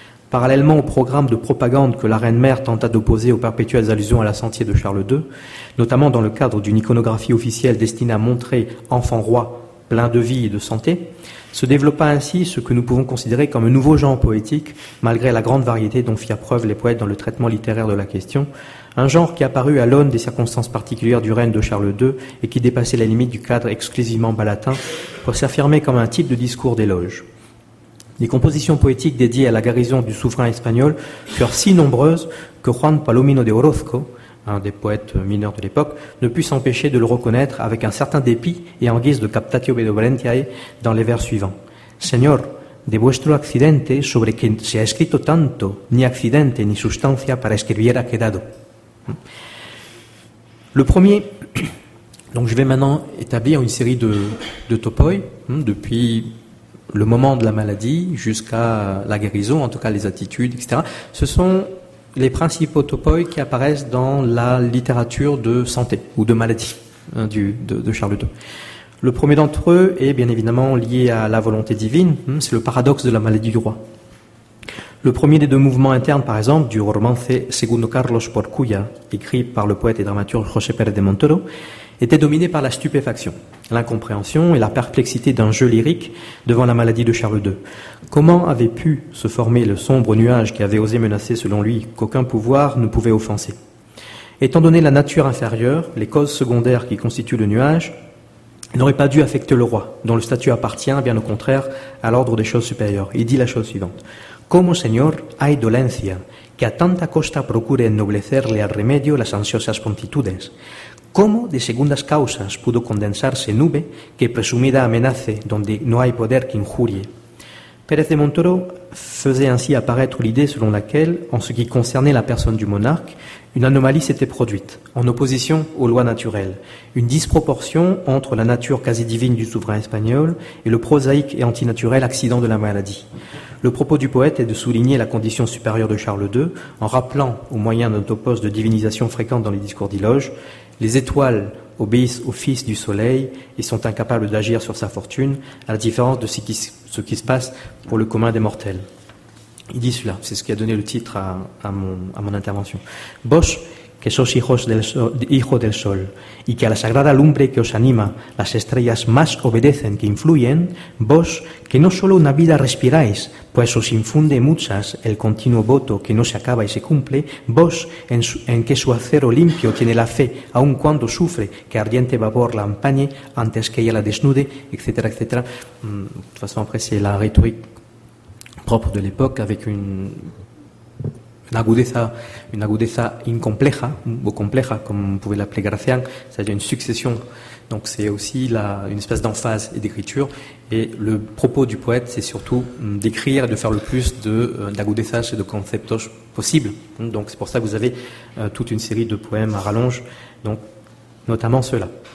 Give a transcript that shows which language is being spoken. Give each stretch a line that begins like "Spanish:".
French: Parallèlement au programme de propagande que la reine-mère tenta d'opposer aux perpétuelles allusions à la santé de Charles II, notamment dans le cadre d'une iconographie officielle destinée à montrer enfant-roi plein de vie et de santé, se développa ainsi ce que nous pouvons considérer comme un nouveau genre poétique, malgré la grande variété dont firent preuve les poètes dans le traitement littéraire de la question, un genre qui apparut à l'aune des circonstances particulières du règne de Charles II et qui dépassait la limite du cadre exclusivement palatin pour s'affirmer comme un type de discours d'éloge. Les compositions poétiques dédiées à la guérison du souverain espagnol furent si nombreuses que Juan Palomino de Orozco, un des poètes mineurs de l'époque, ne put s'empêcher de le reconnaître avec un certain dépit et en guise de captatio benevolentiae dans les vers suivants.
Spanish: Señor, de vuestro accidente sobre quien se ha escrito tanto, ni accidente ni sustancia para escribir ha quedado.
French: Le premier, donc je vais maintenant établir une série de topoi, depuis le moment de la maladie jusqu'à la guérison, en tout cas les attitudes, etc. Ce sont les principaux topoi qui apparaissent dans la littérature de santé ou de maladie de Charles II. Le premier d'entre eux est bien évidemment lié à la volonté divine, c'est le paradoxe de la maladie du roi. Le premier des deux mouvements internes, par exemple, du romance Segundo Carlos Porcuya, écrit par le poète et dramaturge José Pérez de Montero, était dominé par la stupéfaction, l'incompréhension et la perplexité d'un jeu lyrique devant la maladie de Charles II. Comment avait pu se former le sombre nuage qui avait osé menacer, selon lui, qu'aucun pouvoir ne pouvait offenser? Étant donné la nature inférieure, les causes secondaires qui constituent le nuage n'auraient pas dû affecter le roi, dont le statut appartient, bien au contraire, à l'ordre des choses supérieures. Il dit la chose suivante.
Spanish: Como señor hay dolencia que a tanta costa procure ennoblecerle al remedio las ansiosas prontitudes. ¿Cómo de segundas causas pudo condensarse nube que presumida amenace donde no hay poder que injurie?
French: Pérez de Montoro faisait ainsi apparaître l'idée selon laquelle, en ce qui concernait la personne du monarque, une anomalie s'était produite, en opposition aux lois naturelles, une disproportion entre la nature quasi-divine du souverain espagnol et le prosaïque et antinaturel accident de la maladie. Le propos du poète est de souligner la condition supérieure de Charles II en rappelant, au moyen d'un topos de divinisation fréquente dans les discours d'Iloge, les étoiles obéissent au fils du soleil et sont incapables d'agir sur sa fortune, à la différence de ce qui se passe pour le commun des mortels. Il dit cela, c'est ce qui a donné le titre à mon intervention.
Spanish: Vos, que sois hijos del sol, y que a la sagrada lumbre que os anima, las estrellas más obedecen que influyen, vos, que no solo una vida respiráis, pues os infunde muchas el continuo voto que no se acaba y se cumple, vos, en que su acero limpio tiene la fe, aun cuando sufre que ardiente vapor la empañe antes que ella la desnude, etc., etc.
French: De toute façon, après, c'est la rhétorique propre de l'époque, avec une agudeza incompleja, ou compleja, comme on pouvait l'appeler Gracián, c'est-à-dire une succession. Donc c'est aussi une espèce d'emphase et d'écriture. Et le propos du poète, c'est surtout d'écrire et de faire le plus d'agudezas et de conceptos possibles. Donc c'est pour ça que vous avez toute une série de poèmes à rallonge. Donc notamment ceux-là.